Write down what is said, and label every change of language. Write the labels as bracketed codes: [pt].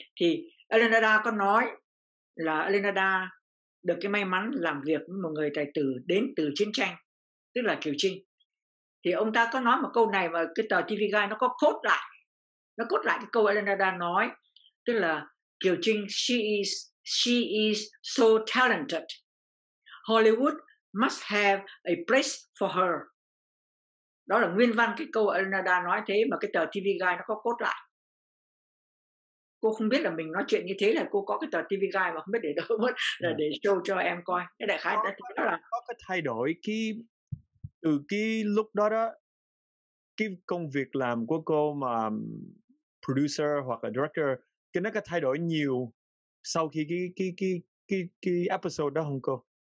[vi] Thì Elenada có nói là Elenada được cái may mắn làm việc với một người tài tử đến từ chiến tranh, tức là Kiều Trinh. Thì ông ta có nói một câu này và cái tờ TV Guide nó có quote lại. Nó quote lại cái câu Elenada nói, tức là Kiều Trinh, [en] she is so talented. Hollywood must have a place for her. [vi] Đó là nguyên văn cái câu Elenada nói thế mà cái tờ TV Guide nó có quote lại. Cô không biết là mình nói chuyện như thế là cô có cái tờ TV Guide mà không biết để đâu mất, là để show cho em coi. Cái đại khái đó là có cái thay đổi khi từ cái lúc đó đó, cái công việc làm của cô mà producer hoặc là director, cái nó có thay đổi nhiều sau khi cái episode đó không cô?